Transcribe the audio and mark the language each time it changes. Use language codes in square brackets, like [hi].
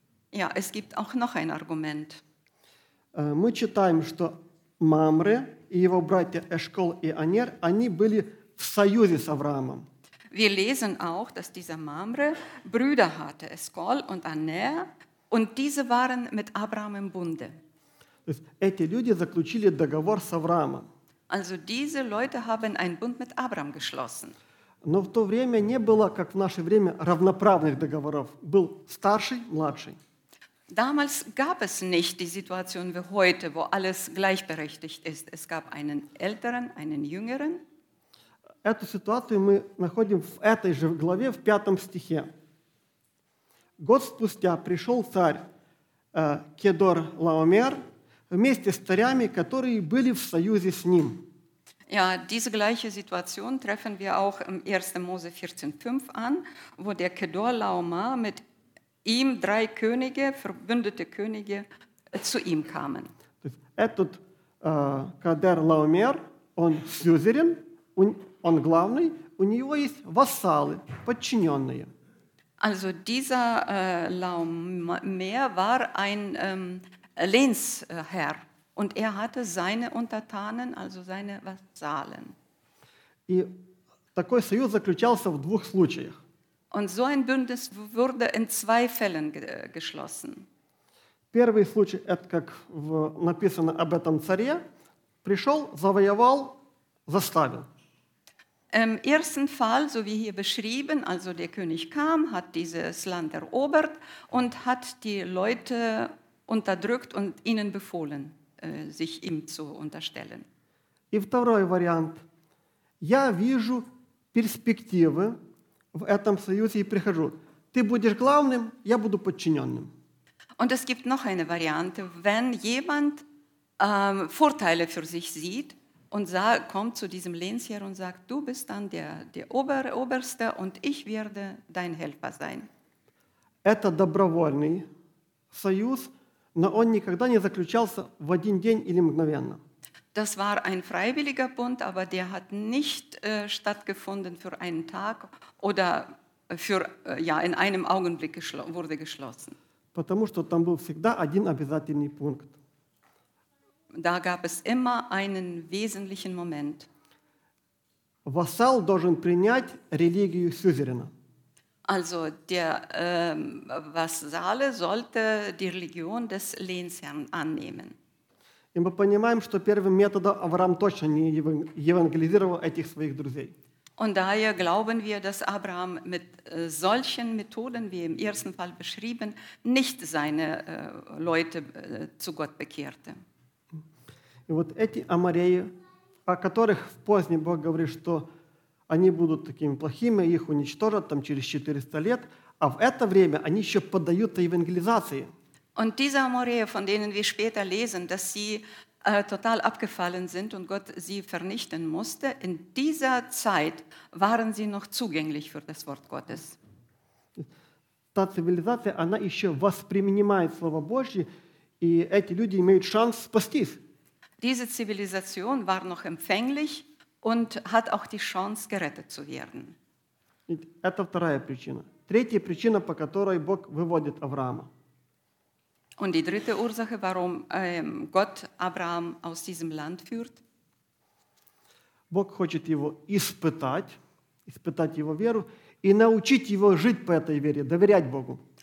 [de] Ja, es gibt auch noch ein Argument. [ru] Мы читаем, что Мамре и его братья Эшкол и Анер, они были в союзе с Авраамом. [de] Wir lesen auch, dass dieser Mamre Brüder hatte, Эшкол und Анер, und diese waren mit Abraham im Bunde. [ru] То есть эти люди заключили договор с Авраамом. [de] Also diese Leute haben einen Bund mit Abraham geschlossen. [ru] Но в то время не было, как в наше время, равноправных договоров. Был старший, младший. [de] Damals gab es nicht die Situation wie heute, wo alles gleichberechtigt ist. Es gab einen Älteren, einen Jüngeren. [ru] Эту ситуацию мы находим в этой же главе, в 5 стихе. Год спустя пришел царь Кедор Лаомер вместе с царями, которые были в союзе с ним. [de] Ja, diese gleiche Situation treffen wir auch im 1. Mose 14,5 an, wo der Kedor Laomer mit ihm drei Könige, verbündete Könige, zu ihm kamen. [ru] Этот Кедор Лаомер, он сюзерен, он главный, у него есть вассалы, подчиненные. [de] Also dieser Laomer war ein Lehnsherr, und er hatte seine Untertanen, also seine Vasallen. [ru] И такой союз заключался в двух случаях. [de] Und so ein Bündnis wurde in zwei Fällen geschlossen. [ru] Первый случай, это как написано об этом царе, пришел, завоевал, заставил. [de] Im ersten Fall, so wie hier beschrieben, also der König kam, hat dieses Land erobert und hat die Leute unterdrückt und ihnen befohlen, sich ihm zu unterstellen. [ru] И второй вариант. Я вижу перспективы в этом союзе и прихожу. Ты будешь главным, я буду подчиненным. [de] Und es gibt noch eine Variante, wenn jemand Vorteile für sich sieht und kommt zu diesem Lehnsherr und sagt, du bist dann der Oberste und ich werde dein Helfer sein. [ru] Это добровольный союз, но он никогда не заключался в один день или мгновенно. [de] Das war ein freiwilliger Bund, aber der hat nicht stattgefunden für einen Tag oder für in einem Augenblick wurde geschlossen. [ru] Потому что там был всегда один обязательный пункт. [de] Da gab es immer einen wesentlichen Moment. [ru] Вассал должен принять религию сюзерена. [de] Also der Вассале sollte die Religion des Lehnsherrn annehmen. [ru] И мы понимаем, что первым методом Авраам точно не евангелизировал этих своих друзей. [de] Und daher glauben wir, dass Abraham mit solchen Methoden, wie im ersten Fall beschrieben, nicht seine Leute zu Gott bekehrte. [ru] И вот эти амореи, о которых позднее Бог говорит, что они будут такими плохими, их уничтожат там через 400 лет, а в это время они еще поддаются евангелизации. [de] Und diese Amoreer, von denen wir später lesen, dass sie total abgefallen sind und Gott sie vernichten musste, in dieser Zeit waren sie noch zugänglich für das Wort Gottes. [ru] Та цивилизация, она еще воспринимает Слово Божье, и эти люди имеют шанс спастись. [de] Diese Zivilisation war noch empfänglich und hat auch die Chance, gerettet zu werden. [ru] Это вторая причина. Третья причина, по которой Бог выводит Авраама. [de] Und die dritte Ursache, warum Gott Abraham aus diesem Land führt? [ru] Бог хочет его испытать его веру и научить его жить по этой вере, доверять Богу.